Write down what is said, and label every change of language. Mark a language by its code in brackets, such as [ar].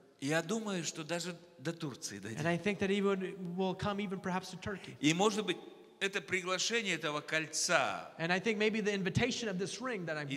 [ru] Я думаю, что даже до Турции дойдет. [en] And I think that even will come even perhaps to Turkey. [ru] И может быть, это приглашение этого кольца. [en] And I think maybe the invitation of this ring that I'm wearing.